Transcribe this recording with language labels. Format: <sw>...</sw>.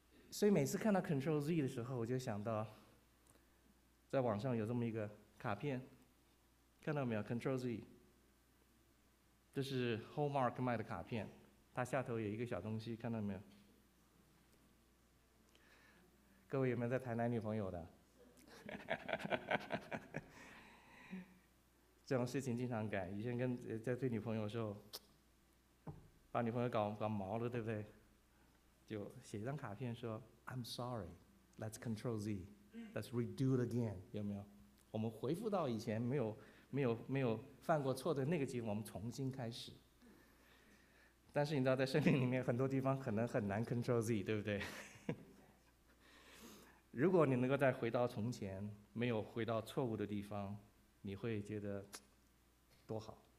<zh>所以每次看到 Control Z 的时候，我就想到。在网上有这么一个卡片，看到没有 ？Control Z， 这是 Hallmark 卖的卡片，它下头有一个小东西，看到没有？各位有没有在台南女朋友的？这种事情经常干，以前跟在追女朋友的时候，把女朋友搞毛了，对不对？就写一张卡片说 ：“</zh> <en>I'm sorry, let's Control Z。” Let's redo it again，</en> <zh>有没有？我们回复到以前没有犯过错的那个境，我们重新开始。但是你知道，在生命里面很多地方可能很难 control Z， 对不对？如果你能够再回到从前，没有回到错误的地方，你会觉得多好。</zh>